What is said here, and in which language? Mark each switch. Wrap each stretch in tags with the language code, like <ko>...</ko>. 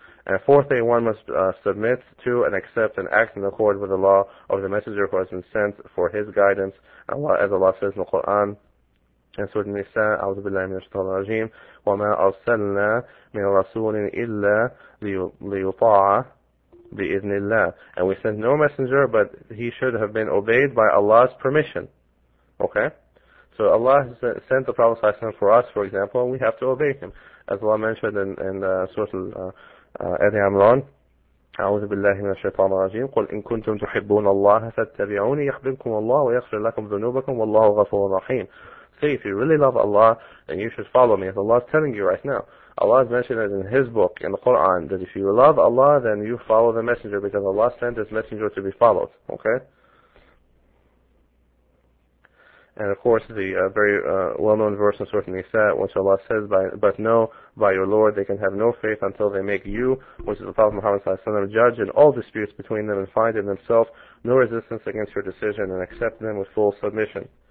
<en>And fourthly, one must submit to and accept and act in accord with the law of the messenger who has been sent for his guidance, as Allah says in the Quran, in Surah Nisa,</en> <ar>A'udhu billahi min ash-shaytan ar-rajim, وَمَا أَرْسَلْنَا مِنْ رَسُولٍ إِلَّا لِيُطَاعَ بِإِذْنِ اللَّهِ.</ar> <en>And we sent no messenger, but he should have been obeyed by Allah's permission. Okay? So Allah sent the Prophet Sallallahu Alaihi Wasallam for us, for example, and we have to obey him. As Allah mentioned in Surah Ali Imran,</en> <ar>أعوذ بالله من الشيطان الرجيم قل إن كنتم تحبون الله فاتبعوني يحببكم الله ويغفر لكم ذنوبكم والله غفور رحيم.</ar> <en>Say, if you really love Allah, then you should follow me. As Allah is telling you right now, Allah has mentioned it in His book, in the Quran, that if you love Allah, then you follow the messenger, because Allah sent His messenger to be followed. Okay? And of course, the very well-known verse in Surah Nisa, which Allah says, but know by your Lord, they can have no faith until they make you, which is the Prophet Muhammad sallallahu alaihi wasallam, judge in all disputes between them and find in themselves no resistance against your decision and accept them with full submission.</en>